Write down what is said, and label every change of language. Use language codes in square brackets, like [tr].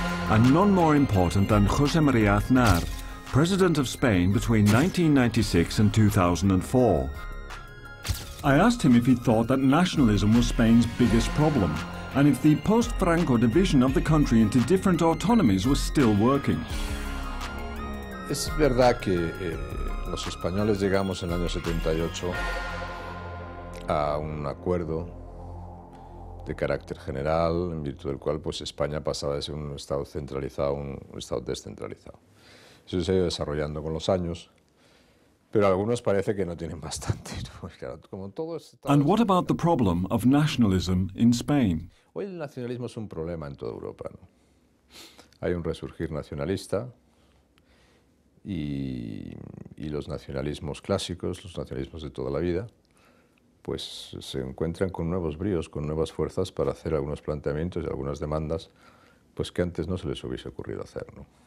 [en] And none more important than José María Aznar, President of Spain between 1996 and 2004. I asked him if he thought that nationalism was Spain's biggest problem, and if the post-Franco division of the country into different autonomies was still working. [es] Es verdad que los españoles llegamos en el año 78 a un acuerdo de carácter general, en virtud del cual pues, España pasaba de ser un estado centralizado a un estado descentralizado. Eso se ha ido desarrollando con los años, pero a algunos parece que no tienen bastante, ¿no? Claro, como todo es... [en] And what about the problem of nationalism in Spain? [es] Hoy el nacionalismo es un problema en toda Europa, ¿no? Hay un resurgir nacionalista, y los nacionalismos clásicos, los nacionalismos de toda la vida, pues se encuentran con nuevos bríos, con nuevas fuerzas para hacer algunos planteamientos y algunas demandas pues que antes no se les hubiese ocurrido hacer, ¿no?